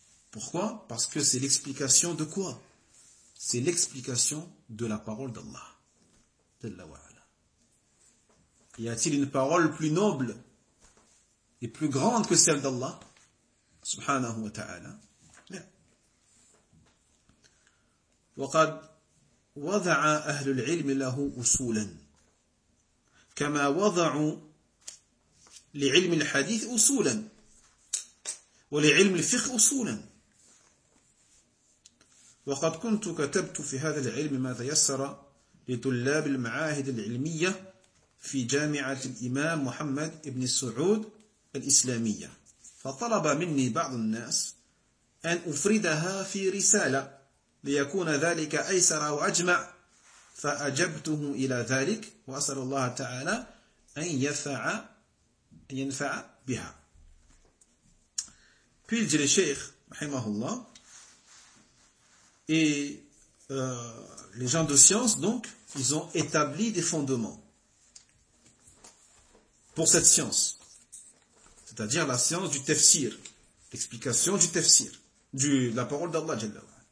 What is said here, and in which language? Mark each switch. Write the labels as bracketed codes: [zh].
[fr] Pourquoi? Parce que c'est l'explication de quoi? C'est l'explication de la parole d'Allah. Jalla wa ala. Y a-t-il une parole plus noble et plus grande que celle d'Allah? [ar] Subhanahu wa ta'ala. وقد وضع أهل العلم له أصولا كما وضعوا لعلم الحديث أصولا ولعلم الفقه أصولا وقد كنت كتبت في هذا العلم ما تيسر لطلاب المعاهد العلمية في جامعة الإمام محمد بن سعود الإسلامية فطلب مني بعض الناس أن أفردها في رسالة ليكون ذلك أيسر وأجمع فأجبته إلى ذلك وأسأل الله تعالى أن ينفع بها. [fr] Puis il dit le Cheikh, rahimahullah, et les gens de science, donc, ils ont établi des fondements pour cette science, c'est-à-dire la science du tafsir, l'explication du tafsir, de la parole d'Allah Jalla.